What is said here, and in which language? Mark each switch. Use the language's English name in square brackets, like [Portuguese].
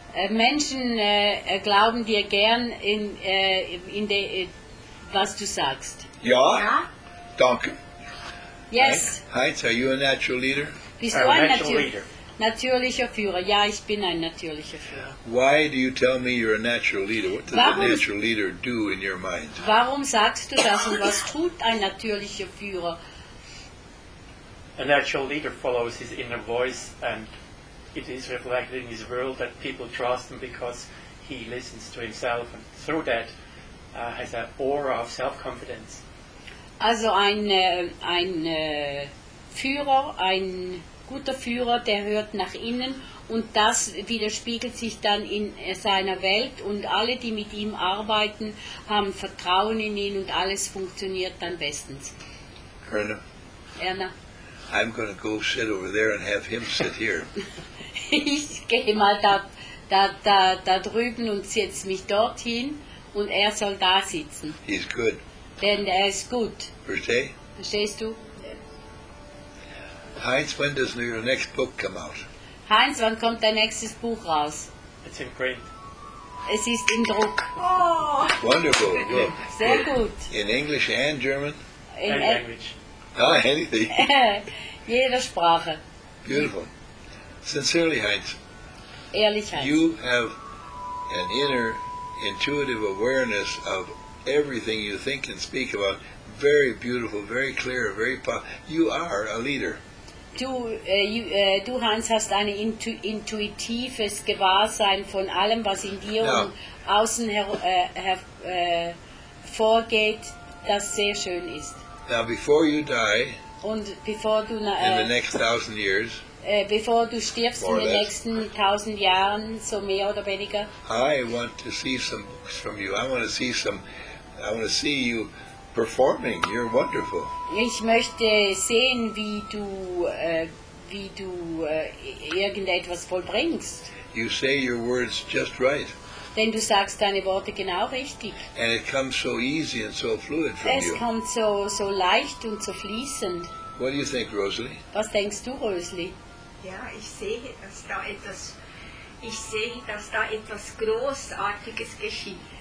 [German] Menschen glauben dir gern in de, was du sagst. Ja? Ja. Danke. [English] Yes. Heinz, are you a natural leader? [German] Bist du ein natürlicher Führer? Ja, ich bin ein natürlicher Führer. [English] Why do you tell me you're a natural leader? What does a natural leader do in your mind? [German] Warum sagst du das und was tut ein natürlicher Führer? [English] A natural leader follows his inner voice and it is reflected in his world that people trust him because he listens to himself and through that has an aura of self-confidence. [German] Also ein Führer, ein guter Führer, der hört nach innen und das widerspiegelt sich dann in seiner Welt und alle, die mit ihm arbeiten, haben Vertrauen in ihn und alles funktioniert dann bestens. Erna. Erna. [English] I'm going to go sit over there and have him sit here. [German] Ich gehe mal da drüben und setze mich dorthin und er soll da sitzen. [English] He's good. [German] Denn er ist gut. Verstehst du? [English] Heinz, when does your next book come out? [German] Heinz, wann kommt dein nächstes Buch raus? [English] It's in print. [German] Es ist in Druck. Oh. [English] Wonderful. Good. [German] Sehr gut. [English] In English and German? In English. Ah, anything. [German] Jeder Sprache. [English] Beautiful. Sincerely, Heinz. [German] Ehrlich, Heinz. [English] You have an inner intuitive awareness of everything you think and speak about. Very beautiful, very clear, very powerful. You are a leader. [German] Du Hans, hast ein intuitives Gewahrsein von allem, was in dir und außen hervorgeht, das sehr schön ist. [English] Now, before you die, [German] und bevor du [English] in the next 1,000 years, [German] bevor du stirbst in den nächsten 1,000 Jahren, so mehr oder weniger, [English] I want to see some books from you. I want to see you performing. You're wonderful. [German] Ich möchte sehen, wie du irgendetwas vollbringst. [English] You say your words just right. [German] Denn du sagst deine Worte genau richtig. [English] And it comes so easy and so fluid from [German] es [English] you. [German] Es kommt so, so leicht und so fließend. [English] What do you think, Rosalie? [German] Was denkst du, Rosalie? Ja, ich sehe, dass da etwas Großartiges geschieht.